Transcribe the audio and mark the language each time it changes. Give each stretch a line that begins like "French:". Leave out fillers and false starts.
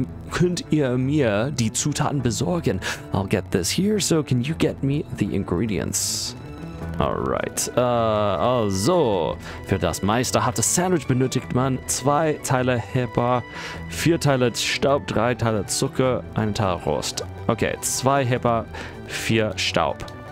German: Könnt ihr mir die Zutaten besorgen?
English: I'll get this here, so can you get me the ingredients? Alright.
German: Also, für das meisterhafte Sandwich benötigt man 2 Teile Hepa, 4 Teile Staub, 3 Teile Zucker, 1 Teil Rost. Okay, 2 Hepa, 4 Staub.